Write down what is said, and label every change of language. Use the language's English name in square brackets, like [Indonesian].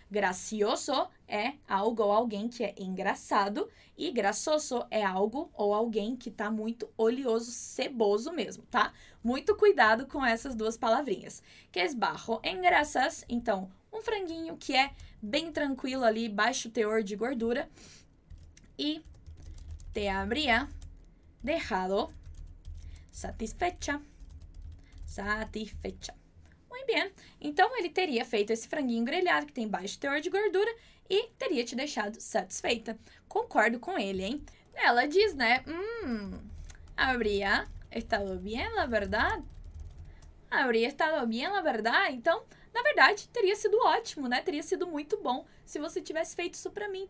[Portuguese] Gracioso é algo ou alguém que é engraçado e grasoso é algo ou alguém que tá muito oleoso, seboso mesmo, tá? Muito cuidado com essas duas palavrinhas. [Spanish] Que es bajo en grasas, [Portuguese] então, um franguinho que é bem tranquilo ali, baixo teor de gordura. [Spanish] E te habría dejado satisfecha. [Portuguese] Satisfecha. Muito bem. Então, ele teria feito esse franguinho grelhado, que tem baixo teor de gordura, e teria te deixado satisfeita. Concordo com ele, hein? Ela diz, né? [Spanish] Habría estado bien, la verdad. Habría estado bien, la verdad. [Portuguese] Então, na verdade, teria sido ótimo, né? Teria sido muito bom se você tivesse feito isso pra mim.